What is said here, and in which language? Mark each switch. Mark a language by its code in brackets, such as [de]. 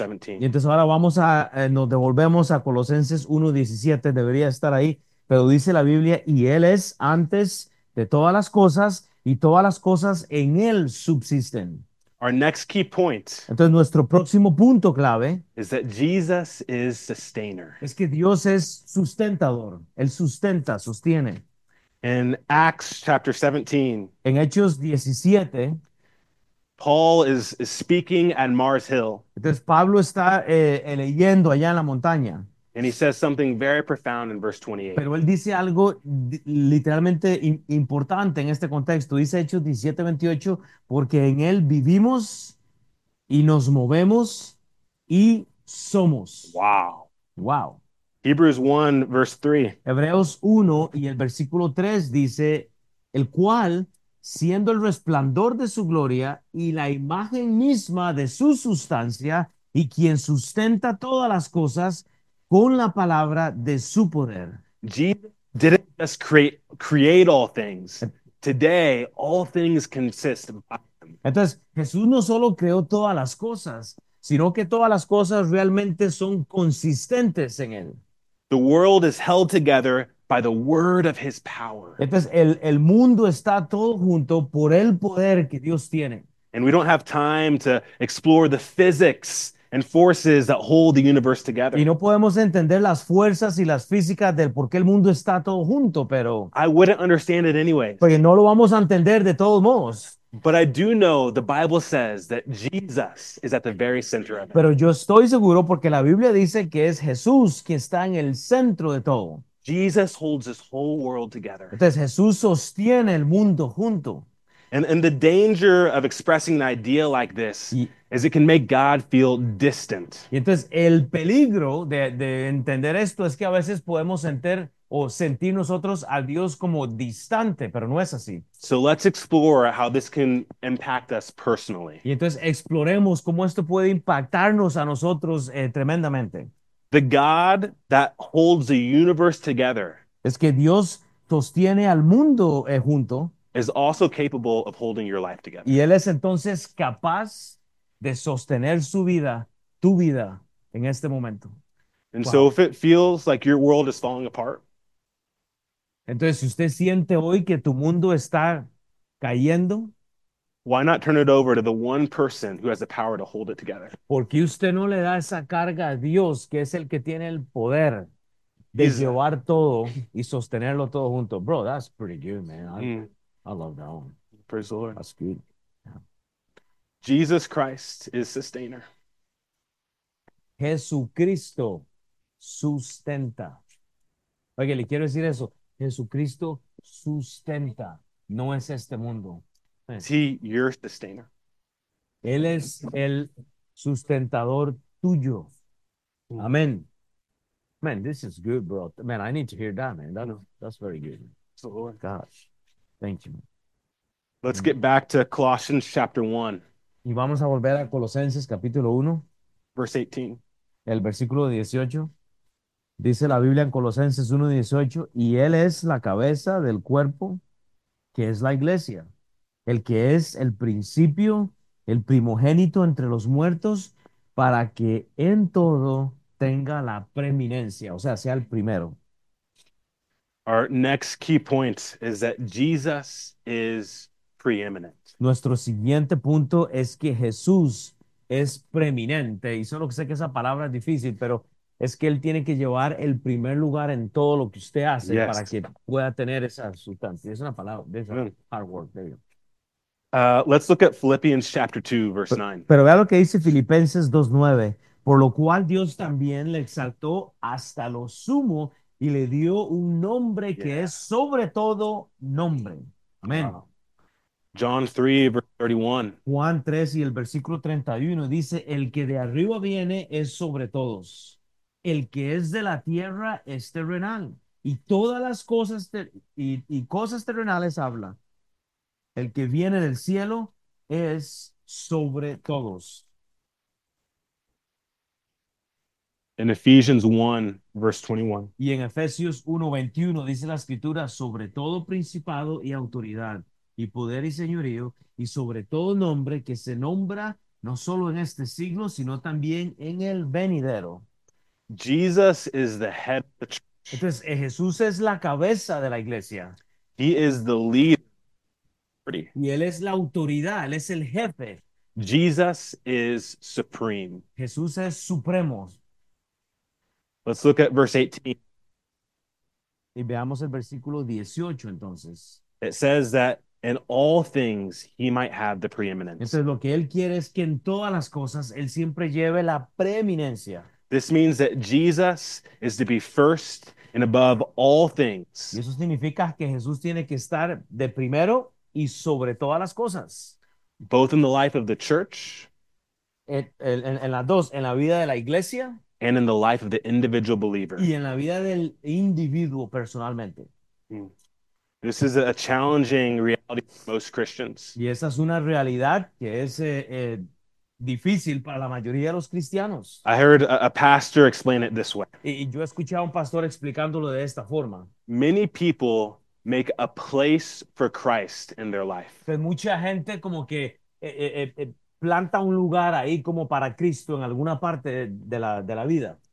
[es] Y 17. entonces ahora nos devolvemos a Colosenses 1:17, debería estar ahí, pero dice la Biblia, y Él es antes de todas las cosas, y todas las cosas en Él subsisten. [en] Our next key point [es] Entonces nuestro próximo punto clave [en] is that Jesus is sustainer. [es] es que Dios es sustentador, Él sustenta, sostiene. [en] In Acts chapter 17, [es] En Hechos 17. [en] Paul is speaking at Mars Hill. [es] Entonces Pablo está leyendo allá en la montaña, [en] And he says something very profound in verse 28. [es] pero él dice algo literalmente importante en este contexto. Dice Hechos 17, 28, porque en él vivimos y nos movemos y somos. [en] Wow. Wow. Hebrews 1, verse 3. [es] Hebreos 1 y el versículo 3 dice, el cual, siendo el resplandor de su gloria y la imagen misma de su sustancia, y quien sustenta todas las cosas con la palabra de su poder. [en] Jesus didn't just create all things. Today, all things consist of him. [es] Entonces, Jesús no solo creó todas las cosas, sino que todas las cosas realmente son consistentes en él. [en] The world is held together by the word of his power. [es] Entonces, el mundo está todo junto por el poder que Dios tiene. [en] And we don't have time to explore the physics and forces that hold the universe [es] Y [en] together. [es] no podemos entender las fuerzas y las físicas del por qué el mundo está todo junto, pero [en] I wouldn't understand it anyways. [es] porque no lo vamos a entender de todos modos. [en] But I do know the Bible says that Jesus is at the very center of it. [es] Pero yo estoy seguro porque la Biblia dice que es Jesús quien está en el centro de todo. [en] Jesus holds this whole world together. [es] Entonces Jesús sostiene el mundo junto. [en] And the danger of expressing an idea like this [es] Y [en] is it can make God feel distant. [es] entonces el peligro de entender esto es que a veces podemos sentir o sentir nosotros a Dios como distante, pero no es así. [en] So let's explore how this can impact us personally. [es] Y entonces exploremos cómo esto puede impactarnos a nosotros tremendamente. [en] The God that holds the universe together [es] Es que Dios sostiene al mundo junto is also capable of holding your life y [en] together. [es] él es entonces capaz de sostener su vida, tu vida, en este momento. [en] And so Wow. if it feels like your world is falling apart, [es] Entonces, si usted siente hoy que tu mundo está cayendo, [en] why not turn it over to the one person who has the power to hold it together? [es] ¿por qué usted no le da esa carga a Dios, que es el que tiene el poder de [en] He's [es] llevar todo y sostenerlo todo junto? [en] Bro, that's pretty good, man. I love that one. Praise the Lord. That's good. Yeah. Jesus Christ is sustainer. [es] Jesucristo sustenta. Oye, le quiero decir eso. Jesucristo sustenta. No es este mundo. [en] See, you're sustainer. [es] Él es el sustentador tuyo. [en] Amén. Man, this is good, bro. Man, I need to hear that, man. That's very good. The Lord. Gosh, thank you, Let's man. get back to Colossians chapter 1, [es] Y vamos a volver a Colosenses capítulo 1, [en] verse 18. [es] el versículo 18. Dice la Biblia en Colosenses 1:18, y él es la cabeza del cuerpo, que es la iglesia, el que es el principio, el primogénito entre los muertos, para que en todo tenga la preeminencia, o sea, sea el primero. [en] Our next key point is that Jesus is preeminent. [es] Nuestro siguiente punto es que Jesús es preeminente. Y solo sé que esa palabra es difícil, pero es que él tiene que llevar el primer lugar en todo lo que usted hace para [en] Yes. [es] que pueda tener esa sustancia. Es una palabra, es [en] a hard work. There you Let's look at Philippians chapter 2, verse go. 9. [es] Pero vea lo que dice Filipenses 2:9. Por lo cual Dios también le exaltó hasta lo sumo y le dio un nombre que es sobre todo nombre. Amén. [en] Wow. John 3, verse 31. [es] Juan 3 y el versículo 31 dice, el que de arriba viene es sobre todos, el que es de la tierra es terrenal y todas las cosas y cosas terrenales habla. El que viene del cielo es sobre todos. [en] In Ephesians 1, verse 21. [es] Y en Efesios 1:21 dice la escritura, sobre todo principado y autoridad y poder y señorío, y sobre todo nombre que se nombra no solo en este siglo, sino también en el venidero. [en] Jesus is the head of the church. [es] Entonces, Jesús es la cabeza de la iglesia. [en] He is the leader of the party. [es] Y él es la autoridad, él es el jefe. [en] Jesus is supreme. [es] Jesús es supremo. [en] Let's look at verse 18. [es] Y veamos el versículo 18, entonces. [en] It says that in all things he might have the preeminence. [es] Entonces lo que él quiere es que en todas las cosas él siempre lleve la preeminencia. [en] This means that Jesus is to be first and above all [es] Y [en] things. [es] eso significa que Jesús tiene que estar de primero y sobre todas las cosas. [en] Both in the life of the church [es] En las dos, en la vida de la iglesia [en] and in the life of the individual [es] y [en] believer. [es] en la vida del individuo personalmente. [en] This is a challenging reality for most Christians. [es] Y esa es una realidad que es difícil para la mayoría de los cristianos. [en] I heard a pastor explain it this way. [es] Y yo he escuchado a un pastor explicándolo de esta forma. [en] Many people make a place for Christ in their life. [es] Pues mucha gente como que planta un lugar ahí como para Cristo en alguna parte de la vida.